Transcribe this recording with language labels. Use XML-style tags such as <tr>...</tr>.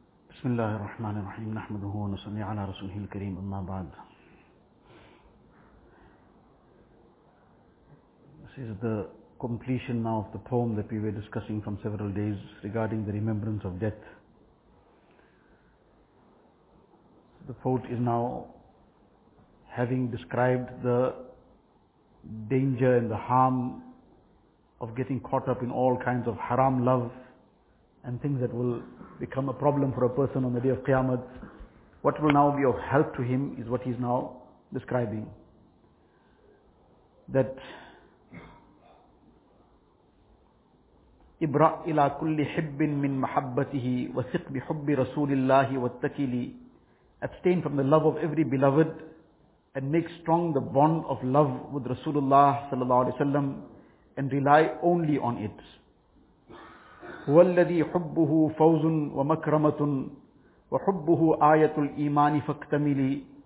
<ar>بسم الله الرحمن الرحيم نحمده ونصلي على رسوله الكريم أما بعد.</ar> <en>This is the completion now of the poem that we were discussing from several days regarding the remembrance of death. The poet is now, having described the danger and the harm of getting caught up in all kinds of haram love and things that will become a problem for a person on the day of Qiyamah, what will now be of help to him is what he is now describing. That</en> <ar>إبرأ إلى كل حب من محبته وثق بحب رسول الله واتكلي.</ar> <en>Abstain from the love of every beloved and make strong the bond of love with Rasulullah sallallahu alaihi wasallam and rely only on it.</en> <ar>هو الذي حبه فوز ومكرمة وحبه آية الإيمان فاكتملي.</ar>